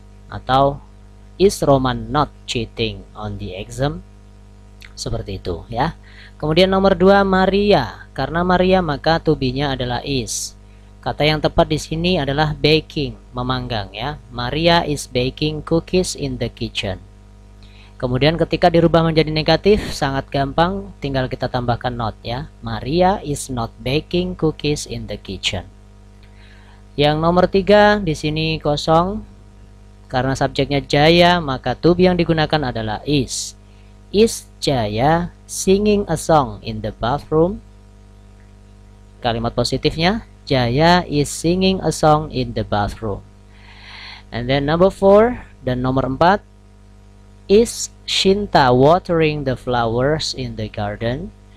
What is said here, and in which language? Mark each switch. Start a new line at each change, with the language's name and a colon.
Indonesian: Atau
English: is Roman not cheating on the exam?
Indonesian: Seperti itu, ya. Kemudian nomor 2, Maria. Karena Maria maka to be-nya adalah is. Kata yang tepat di sini adalah baking, memanggang, ya.
English: Maria is baking cookies in the kitchen.
Indonesian: Kemudian ketika dirubah menjadi negatif, sangat gampang, tinggal kita tambahkan not, ya.
English: Maria is not baking cookies in the kitchen.
Indonesian: Yang nomor 3 di sini kosong. Karena subjeknya Jaya, maka to be yang digunakan adalah is.
English: Is Jaya singing a song in the bathroom?
Indonesian: Kalimat positifnya,
English: Jaya is singing a song in the bathroom. And then number 4
Indonesian: dan nomor 4,
English: is Shinta watering the flowers in the garden?